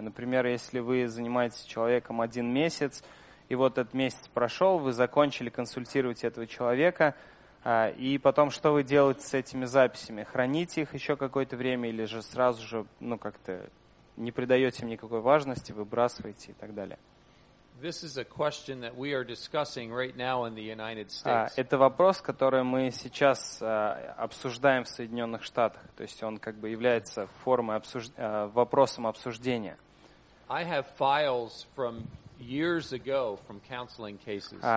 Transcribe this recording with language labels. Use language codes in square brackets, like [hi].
[ru] Например, если вы занимаетесь человеком один месяц, и вот этот месяц прошел, вы закончили консультировать этого человека, и потом что вы делаете с этими записями? Храните их еще какое-то время или же сразу же, ну, как-то не придаете им никакой важности, выбрасываете и так далее? [en] This is a question that we are discussing right now in the United States. [ru] Это вопрос, который мы сейчас обсуждаем в Соединенных Штатах. То есть он как бы является формой вопросом обсуждения. [en] I have files from years ago from counseling cases.